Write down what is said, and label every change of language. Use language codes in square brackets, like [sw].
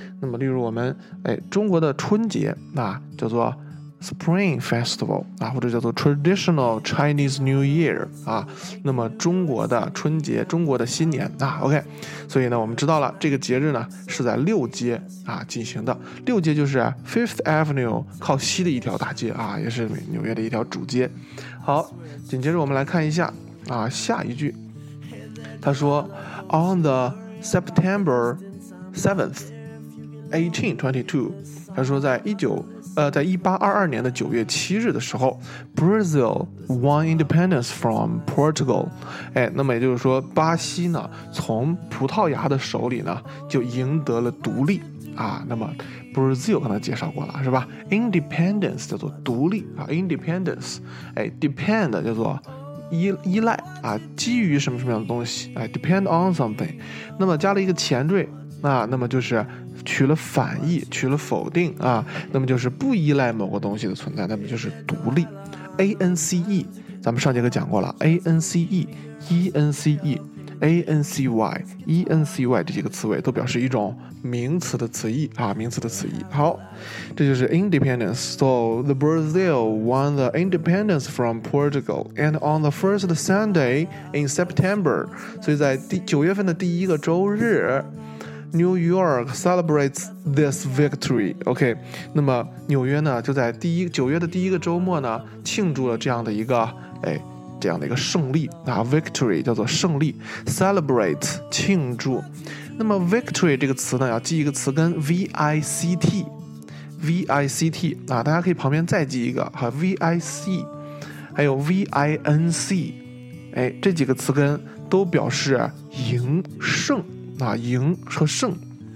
[zh] 那么例如我们中国的春节啊叫做Spring Festival 啊，或者叫做 Traditional Chinese New Year 啊，那么中国的春节，中国的新年啊。 OK， 所以呢我们知道了这个节日呢是在六街啊进行的，六街就是 Fifth Avenue 靠西的一条大街啊，也是纽约的一条主街。好，紧接着我们来看一下啊下一句，他说 [en] On the September 7th 1822， [zh] 他说在1822年的9月7日的时候 [en] Brazil won independence from Portugal。 [zh] 那么也就是说巴西呢从葡萄牙的手里呢就赢得了独立啊。那么 Brazil 刚才介绍过了是吧， independence 叫做独立啊， independence depend 叫做依赖啊，基于什么什么样的东西， [en] depend on something， [zh] 那么加了一个前缀，那么就是取了反义，取了否定啊，那么就是不依赖某个东西的存在，那么就是独立 ance， 咱们上节课讲过了 ance ence ancy ency 这几个词尾都表示一种名词的词义啊，名词的词义。好，这就是 independence。 [en] So the Brazil won the independence from Portugal and on the first Sunday in September， [zh] 所以在九月份的第一个周日 [en] New York celebrates this victory。 [zh] OK， 那么纽约呢就在九月的第一个周末呢庆祝了这样的一个这样的一个胜利啊 ，victory 叫做胜利 ，celebrate 庆祝。那么 victory 这个词呢，要记一个词根 vict 啊，大家可以旁边再记一个哈 vic， 还有 vinc， 这几个词根都表示赢胜啊，赢和胜。